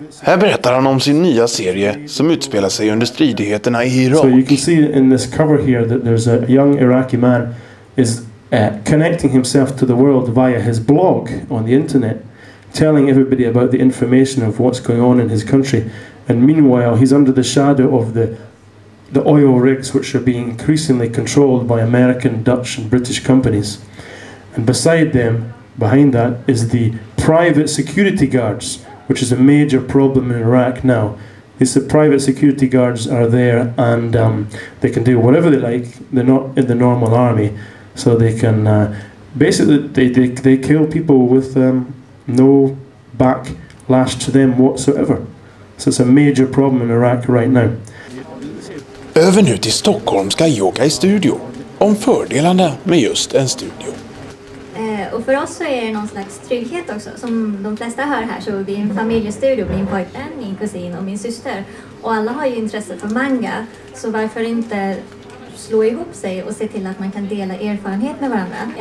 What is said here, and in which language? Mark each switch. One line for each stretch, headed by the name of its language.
Swedish: Här berättar han om sin nya serie som utspelar sig under stridigheterna i Irak.
English: So you can see in this cover here that there's a young Iraqi man is connecting himself to the world via his blog on the internet, telling everybody about the information of what's going on in his country. And meanwhile, he's under the shadow of the oil rigs, which are being increasingly controlled by American, Dutch, and British companies. And beside them, behind that, is the private security guards, which is a major problem in Iraq now. These private security guards are there, and they can do whatever they like. They're not in the normal army, so they can basically they kill people with no backlash to them whatsoever. So it's a major problem in Iraq right now.
Swedish: Över nu till Stockholm ska yoga i studio. Om fördelarna med just en studio. Och för oss så är det någon slags trygghet också. Som de flesta hör här så är vi en familjestudio. Min pojkvän, min kusin och min syster. Och alla har ju intresse för manga. Så varför inte slå ihop sig och se till att man kan dela erfarenhet med varandra.